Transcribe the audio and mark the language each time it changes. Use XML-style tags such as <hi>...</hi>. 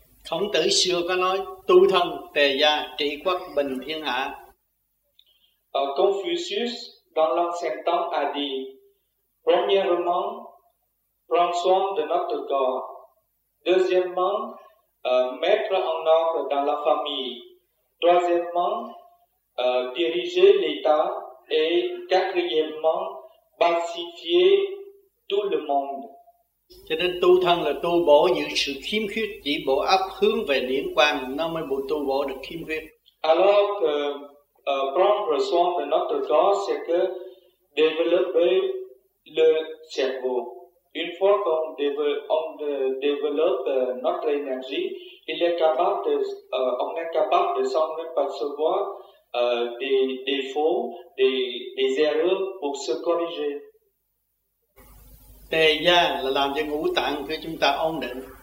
<vi>Khổng Tử xưa có nói, tu thân, tề gia, trị quốc, bình thiên hạ.</vi> <fr>Confucius, dans l'ancien temps, a dit, premièrement, prends soin de notre corps. Deuxièmement, mettre en ordre dans la famille. Troisièmement, diriger l'État et quatrièmement pacifier tout le monde.</fr> <vi>Cho nên tu thân là tu bổ những sự khiếm khuyết, chỉ bổ ấp hướng về niệm quan, nó mới bổ tu bổ được khiếm khuyết.</vi> <fr>Alors que prendre soin de notre corps, c'est que développer le cerveau. Une fois qu'on développe notre énergie, il est capable de, on est capable de s'en apercevoir des défauts, des erreurs pour se corriger.</fr> <vi>Tề gia là làm cho ngũ tạng của chúng ta ổn định.</vi>